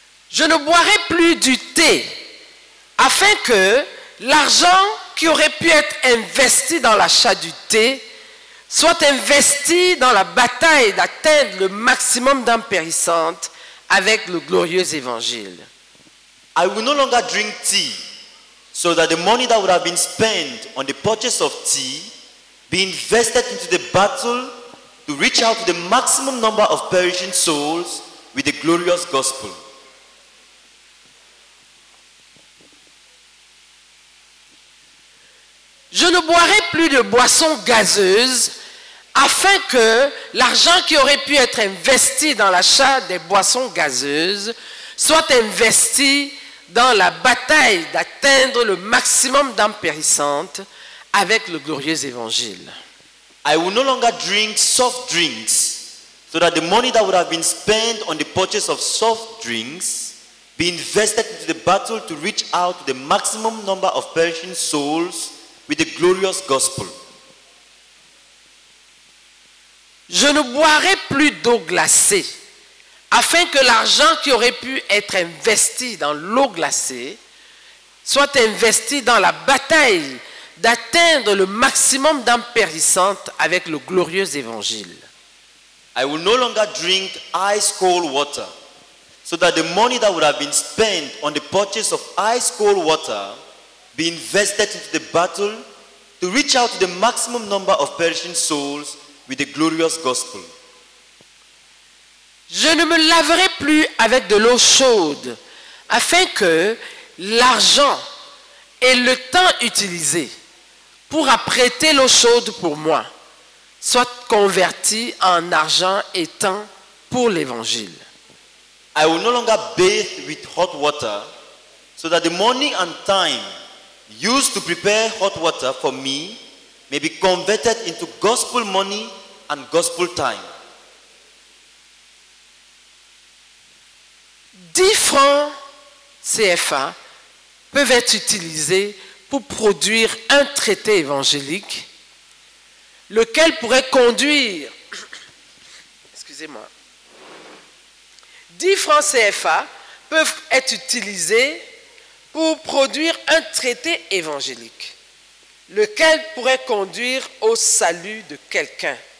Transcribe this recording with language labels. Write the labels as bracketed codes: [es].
[fr] Je ne boirai plus du thé, afin que l'argent qui aurait pu être investi dans l'achat du thé soit investi dans la bataille d'atteindre le maximum d'âmes périssantes avec le glorieux évangile. [en] I will no longer drink tea, so that the money that would have been spent on the purchase of tea be invested into the battle to reach out to the maximum number of perishing souls with the glorious gospel. [fr] Je ne boirai plus de boissons gazeuses, afin que l'argent qui aurait pu être investi dans l'achat des boissons gazeuses soit investi dans la bataille d'atteindre le maximum d'âmes périssantes avec le glorieux évangile. [en] I will no longer drink soft drinks, so that the money that would have been spent on the purchase of soft drinks be invested into the battle to reach out to the maximum number of perishing souls with the glorious gospel. [fr] Je ne boirai plus d'eau glacée, afin que l'argent qui aurait pu être investi dans l'eau glacée soit investi dans la bataille d'atteindre le maximum d'âmes périssantes avec le glorieux évangile. [en] I will no longer drink ice cold water, so that the money that would have been spent on the purchase of ice cold water be invested into the battle to reach out to the maximum number of perishing souls with the glorious gospel. [fr] Je ne me laverai plus avec de l'eau chaude, afin que l'argent et le temps utilisé pour apprêter l'eau chaude pour moi soient convertis en argent et temps pour l'évangile. [en] I will no longer bathe with hot water, so that the money and time used to prepare hot water for me may be converted into gospel money and gospel time. [fr] 10 francs CFA peuvent être utilisés pour produire un traité évangélique, lequel pourrait conduire, excusez-moi, 10 francs CFA peuvent être utilisés pour produire un traité évangélique, lequel pourrait conduire au salut de quelqu'un.